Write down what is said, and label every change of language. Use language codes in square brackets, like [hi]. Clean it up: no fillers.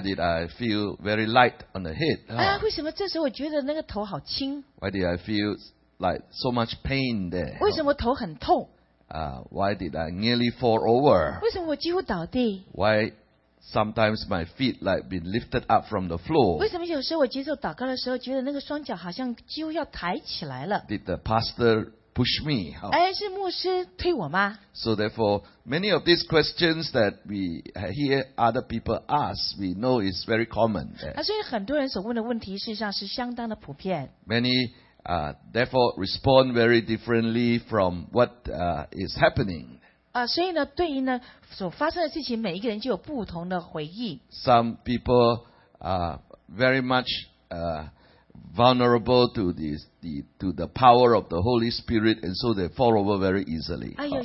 [en] did I feel very light on the head? [zh] 为什么这时候我觉得那个头好轻？ [en] Why did I feel like so much pain there? [zh] 为什么头很痛？ [en] Why did I nearly fall over? [zh] 为什么我几乎倒地？ [en] Why sometimes my feet like been lifted up from the floor. [zh] 为什么有时候我接受祷告的时候，觉得那个双脚好像几乎要抬起来了？ [en] Did the pastor push me? [zh] 是牧师推我吗？ [en] So therefore, many of these questions that we hear other people ask, we know is very common. [zh] 所以很多人所问的问题，事实上是相当的普遍。 [en] Many therefore respond very differently from what is happening. [zh] 所以呢，对于呢所发生的事情，每一个人就有不同的回应。Some [en] people are very much vulnerable to the power of the Holy Spirit, and so they fall over very easily.